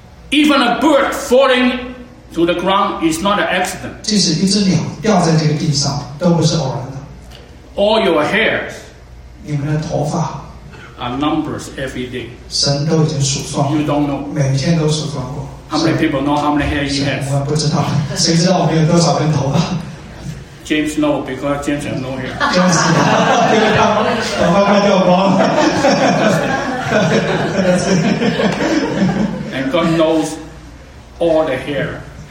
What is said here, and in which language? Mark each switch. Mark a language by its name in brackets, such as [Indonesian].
[English] Even a bird falling to the ground is not an accident. [Chinese] 即使一只鸟掉在这个地上，都不是偶然的。 [English] All your hairs, [Chinese] 你们的头发, [English] are numbers every day. [Chinese] 神都已经数算过。 [English] You don't know. [Chinese] 每天都数算过。 [English] How many people know how many hairs you have? [Chinese] 我们不知道，谁知道我们有多少根头发？ [English] James know because James have no hair. [Chinese] James, 因为他头发快掉光了。 [English] And God knows all the hair.